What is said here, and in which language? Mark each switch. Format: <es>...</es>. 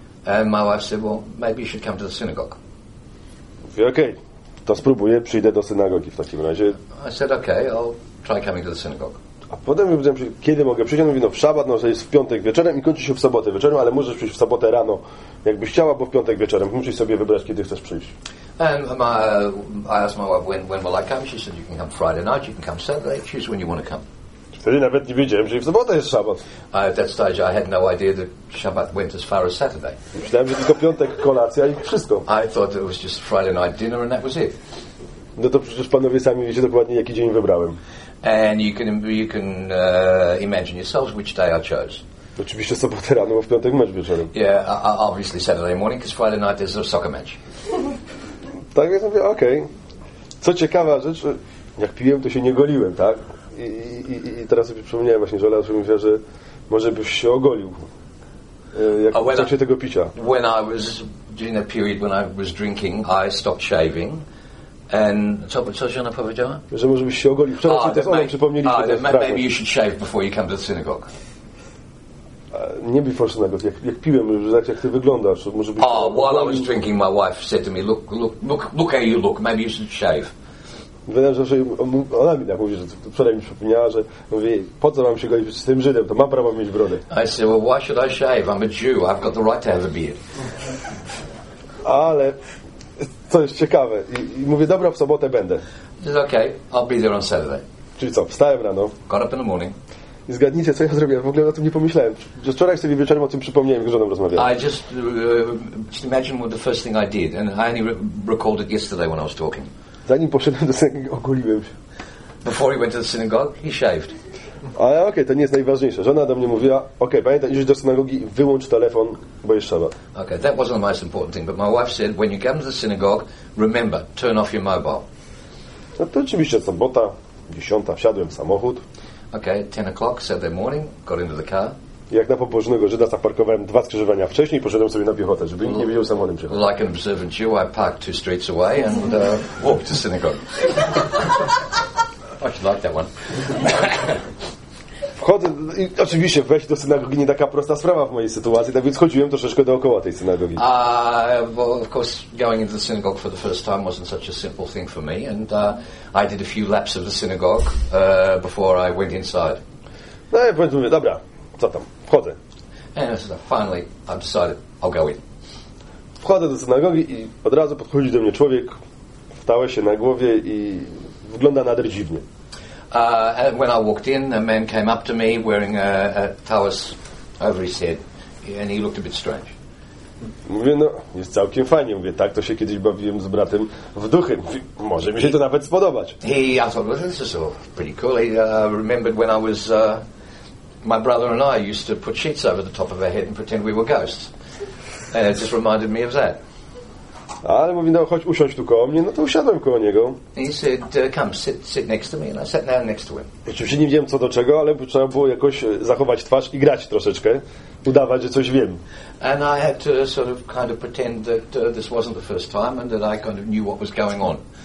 <en>And my wife said, well, maybe you should come to the synagogue.</en> <pl>Mówi, okej, okay, to spróbuję, przyjdę do synagogi w takim razie.</pl> <en>I said, okay, I'll try coming to the synagogue.</en> <pl>A potem mówiłem, kiedy mogę przyjść? On mówi, no w szabat, no to jest w piątek wieczorem i kończy się w sobotę wieczorem, ale możesz przyjść w sobotę rano, jakbyś chciała, bo w piątek wieczorem. Musisz sobie wybrać, kiedy chcesz przyjść.</pl> <en>And I asked my wife, when will I come? She said, you can come Friday night, you can come Saturday, choose when you want to come.</en> <pl>Wtedy nawet nie wiedziałem, że w sobotę jest szabat.</pl> <en>At that stage I had no idea that Shabbat went as far as Saturday.</en> <pl>Myślałem, że tylko piątek, kolacja i wszystko.</pl> <en>I thought it was just Friday night dinner and that was it.</en> <pl>No to przecież panowie sami wiecie dokładnie, jaki dzień wybrałem.</pl> <en>And you can imagine yourselves which day I chose.</en> <pl>Oczywiście sobotę rano, bo w piątek mecz wieczorem.</pl> <en>Yeah, obviously Saturday morning, because Friday night there's a soccer match.</en> <pl>Tak więc mówię, okej. Okay. Co ciekawa rzecz, jak piłem, to się nie goliłem, tak? I teraz sobie przypomniałem właśnie, że Lasz mówiła, że może byś się ogolił, jak w czasie tego picia.</pl> <en>When I was during a period when I was drinking, I stopped shaving.</en> <pl>And co żona powiedziała? Że może byś się ogolił. Wczoraj ci też ona przypomnieli.</pl> <en>Maybe you should shave before you come to the synagogue. Nie before synagogue.</en> <pl>Jak piłem, że tak jak ty wyglądasz. Może byś</pl> <en>While I was drinking, my wife said to me, look how you look. Maybe you should shave.</en> <pl>Wydaje się, że ona mi tak mówi, że wczoraj mi przypomniała, że mówi, po co mam się golić z tym Żydem? To mam prawo mieć brodę.</pl> <en>I said, well, why should I shave? I'm a Jew. I've got the right to have a beard.</en> <pl>Ale co jest ciekawe. I mówię, dobra, w sobotę będę.</pl> <en>It's okay, I'll be there on Saturday.</en> <pl>Czyli co, wstałem rano.</pl> <en>Got up in the morning.</en> <pl>I zgadnijcie, co ja zrobiłem. W ogóle o tym nie pomyślałem. Wczoraj sobie wieczorem o tym przypomniałem, jak z żoną rozmawiałem.</pl> <en>I just imagine what the first thing I did. And I only recalled it yesterday when I was talking.</en> <pl>Zanim poszedłem do synagogi, ogoliłem się.</pl> <en>Before he went to the synagogue, he shaved.</en> <pl>Ale okej, okay, to nie jest najważniejsze. Żona do mnie mówiła, okej, okay, pamiętaj, idź do synagogi, wyłącz telefon, bo jest szabat.</pl> <en>Okay, that wasn't the most important thing, but my wife said, when you come to the synagogue, remember, turn off your mobile.</en> <pl>No to oczywiście sobota, 10, wsiadłem w samochód.</pl> <en>Okay, 10 o'clock, Saturday morning, got into the car.</en> <pl>Jak na pobożnego Żyda zaparkowałem dwa skrzyżowania wcześniej i poszedłem sobie na piechotę, żeby nikt nie wiedział, że samochodem przyjechał.</pl> <en>Like an observant Jew, I parked two streets away and walked to synagogue. I should like that one.</en> <pl>wchodzę, i oczywiście wejść do synagogi nie taka prosta sprawa w mojej sytuacji, tak więc chodziłem troszeczkę dookoła tej synagogi.</pl> <en>Of course, going into the synagogue for the first time wasn't such a simple thing for me, and I did a few laps of the synagogue before I went inside.</en> <pl>No i powiedzmy, dobra, co tam, wchodzę.</pl> <en>And so finally, I've decided I'll go in.</en> <pl>Wchodzę do synagogi i od razu podchodzi do mnie człowiek, wstał się na głowie i wygląda nader dziwnie.</pl> <en>When I walked in, a man came up to me wearing a talus over his head, and he looked a bit strange.</en> <pl>Mówię, no, jest całkiem fajnie. Mówię, tak, to się kiedyś bawiłem z bratem w duchy. Mówię, może mi się to nawet spodobać.</pl> <en>I thought, this is all pretty cool. He remembered when I was, my brother and I used to put sheets over the top of our head and pretend we were ghosts. And it just reminded me of that.</en> <pl>Ale mówi, no chodź usiądź tu koło mnie. No to usiadłem koło niego.</pl> <en>He said, come, sit next to me. And I sat down next to him.</en> <pl>Oczywiście nie wiem co do czego, ale trzeba było jakoś zachować twarz i grać troszeczkę. Udawać, że coś wiem.</pl> <en>And I had to sort of kind of pretend that this wasn't the first time and that I kind of knew what was going on.</en>